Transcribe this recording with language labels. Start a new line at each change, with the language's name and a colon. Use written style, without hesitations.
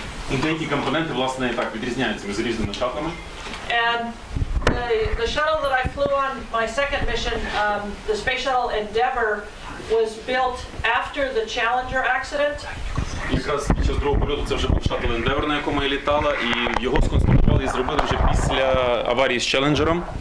Ukrainian: Деякі компоненти, власне, так відрізняються між різними шатлами.
English: And the shuttle that I flew on my second mission, the Space Shuttle Endeavour, was built after the Challenger accident.
Ukrainian: Якраз під час другого польоту це вже був шатл Endeavour, на якому я літала, і його сконструювали і зробили вже після аварії з Challenger'ом.